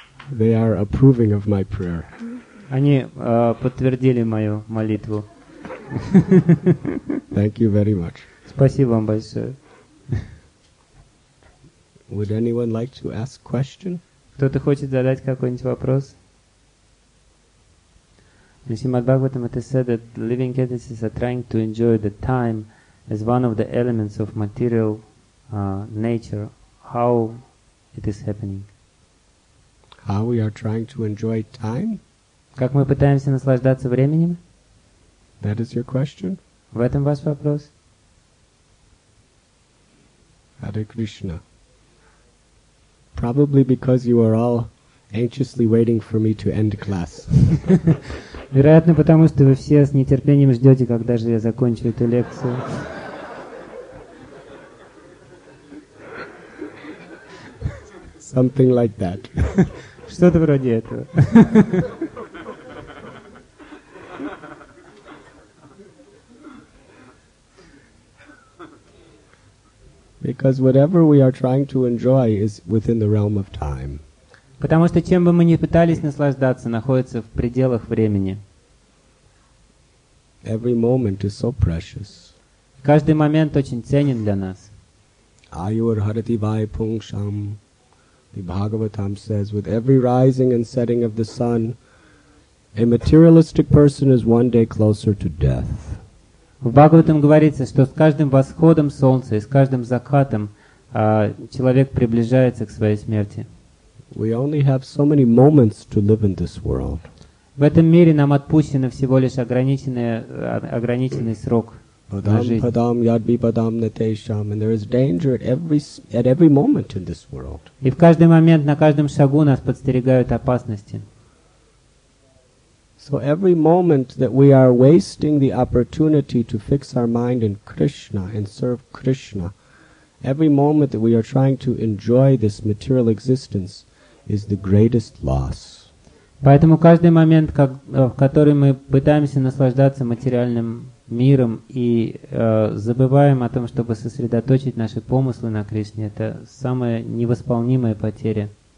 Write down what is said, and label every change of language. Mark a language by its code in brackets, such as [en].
[en] They are approving of my prayer. [ru] Они подтвердили мою молитву. [en] Thank you very much. [ru] Спасибо вам большое. [en] Would anyone like to ask question? [ru] Кто-то хочет задать какой-нибудь вопрос? [en] Srimad Bhagavatam it is said that living entities are trying to enjoy the time as one of the elements of material nature. How it is happening? How we are trying to enjoy time? [ru] Как мы пытаемся наслаждаться временем? [en] That is your question? [ru] В этом ваш вопрос? [en] Hare Krishna. Probably because you are all anxiously waiting for me to end class. [ru] Вероятно, потому что вы все с нетерпением ждете, когда же я закончу эту лекцию. [en] Something like that. [ru] Что-то вроде этого. [en] Because whatever we are trying to enjoy is within the realm of time. [ru] Потому что чем бы мы ни пытались наслаждаться, находится в пределах времени. [en] Every moment is so precious. [ru] Каждый момент очень ценен для нас. [sa] Ayur harati vai pungsham. [en] The Bhagavatam says, with every rising and setting of the sun, a materialistic person is one day closer to death. [ru] В Бхагаватам говорится, что с каждым восходом солнца и с каждым закатом человек приближается к своей смерти. [en] We only have so many moments to live in this world. [ru] В этом мире нам отпущен всего лишь ограниченный срок на жизнь. [sa] Padam yadbi padam natesham, [en] and there is danger at every moment in this world. [ru] И в каждый момент, на каждом шагу нас подстерегают опасности. [en] So every moment that we are wasting the opportunity to fix our mind in Krishna and serve Krishna, every moment that we are trying to enjoy this material existence is the greatest loss. [ru] Поэтому каждый момент, в который мы пытаемся наслаждаться материальным миром и забываем о том, чтобы сосредоточить наши помыслы на Кришне, это самая невосполнимая потеря.